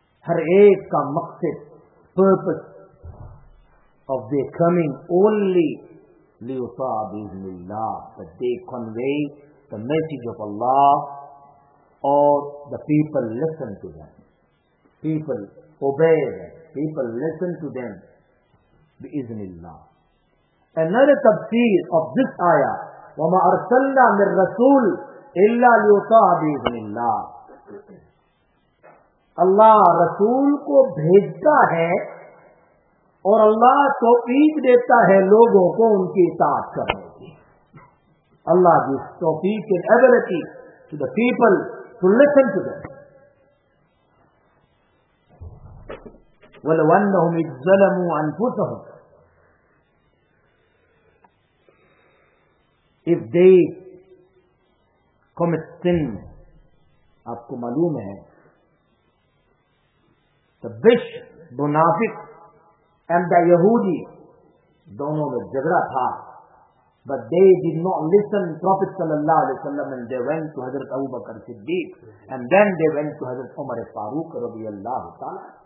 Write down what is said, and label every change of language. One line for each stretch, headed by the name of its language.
Urdu: har ek ka maqsad
English: purpose of their coming only
Arabic: لِيُطَاعَ بِإِذْنِ اللَّهِ
English: that they convey the message of Allah or the people listen to them people obey them people listen to them بِإِذْنِ اللَّهِ. Another tafsir of this ayah
Arabic: وَمَا أَرْسَلْنَا مِنْ رَسُولِ إِلَّا لِيُطَاعَ بِإِذْنِ اللَّهِ
Urdu: اللہ رسول کو بھیجتا ہے اور اللہ توفیق دیتا ہے لوگوں کو ان کی اطاعت کرنے کی. اللہ کی توفیق
English: and ability to the people to listen to them.
Arabic: وَلَوْ أَنَّهُمْ إِذْ ظَلَمُوا أَنفُسَهُمْ
English: if they commit sin.
Urdu: آپ کو معلوم ہے تبش منافق
English: and the Yahudi
Urdu: dono mein jhagda tha
English: but they did not listen Prophet sallallahu alaihi wasallam and they went to Hazrat Abu Bakr Siddiq and then they went to Hazrat Umar Farooq radhiyallahu ta'ala.